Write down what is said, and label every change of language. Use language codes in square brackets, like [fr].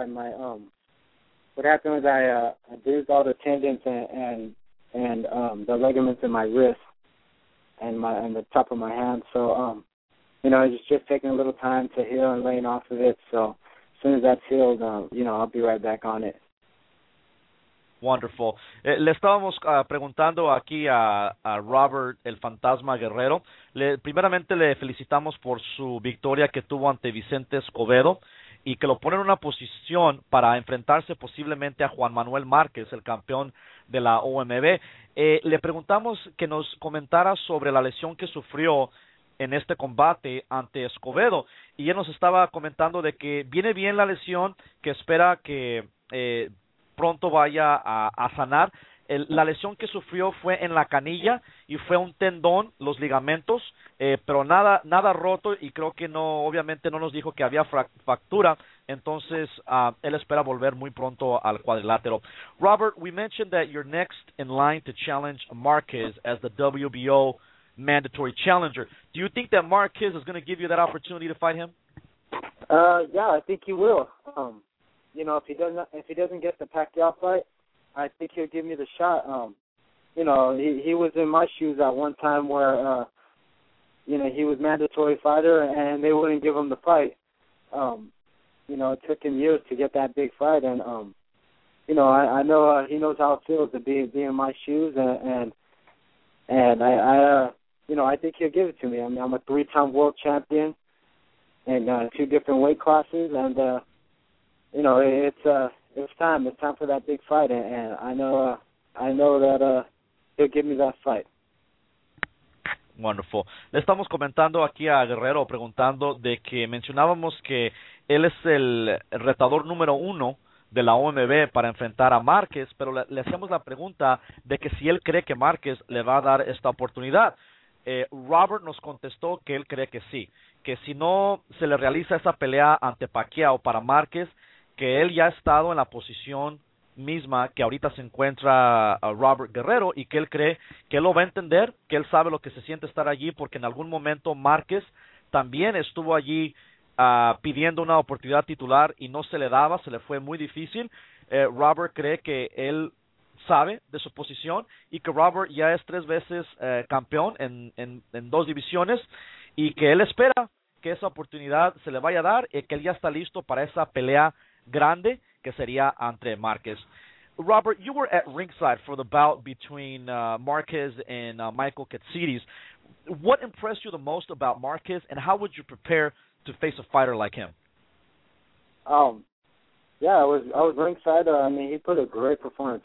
[en] And my what happened was I bruised all the tendons and the ligaments in my wrist and the top of my hand. So, you know, it's just taking a little time to heal and laying off of it. So as soon as that's healed, you know, I'll be right back on it. Wonderful. [es] Le estábamos preguntando aquí a Robert el Fantasma Guerrero. Primeramente le felicitamos por su victoria que tuvo ante Vicente Escobedo y que lo pone en una posición para enfrentarse posiblemente a Juan Manuel Márquez, el campeón de la OMB. Le preguntamos que nos comentara sobre la lesión que sufrió en este combate ante Escobedo. Y él nos estaba comentando de que viene bien la lesión, que espera que pronto vaya a sanar. La lesión que sufrió fue en la canilla y fue un tendón, los ligamentos, pero nada roto, y creo que no, obviamente no nos dijo que había fractura. Entonces, él espera volver muy pronto al cuadrilátero. [en] Robert, we mentioned that you're next in line to challenge Marquez as the WBO mandatory challenger. Do you think that Marquez is going to give you that opportunity to fight him? Yeah, I think he will. You know, if he doesn't get the Pacquiao fight, I think he'll give me the shot. You know, he was in my shoes at one time where, you know, he was mandatory fighter and they wouldn't give him the fight. You know, it took him years to get that big fight. And, you know, I know he knows how it feels to be in my shoes. And I think he'll give it to me. I mean, I'm a 3-time world champion in 2 different weight classes. And, you know, it's time. It's time for that big fight, and I know that he'll give me that fight. Wonderful. [es] Le estamos comentando aquí a Guerrero, preguntando de que mencionábamos que él es el retador número uno de la OMB para enfrentar a Márquez, pero le hacemos la pregunta de que si él cree que Márquez le va a dar esta oportunidad. Robert nos contestó que él cree que sí, que si no se le realiza esa pelea ante Pacquiao para Márquez, que él ya ha estado en la posición misma que ahorita se encuentra Robert Guerrero, y que él cree que él lo va a entender, que él sabe lo que se siente estar allí, porque en algún momento Márquez también estuvo allí pidiendo una oportunidad titular y no se le daba, se le fue muy difícil. Robert cree que él sabe de su posición y que Robert ya es 3 veces campeón en 2 divisiones, y que él espera que esa oportunidad se le vaya a dar y que él ya está listo para esa pelea grande que sería ante Márquez. [en] Robert, you were at ringside for the bout between Márquez and Michael Katsidis. What impressed you the most about Márquez, and how would you prepare to face a fighter like him? I was ringside. I mean, he put a great performance.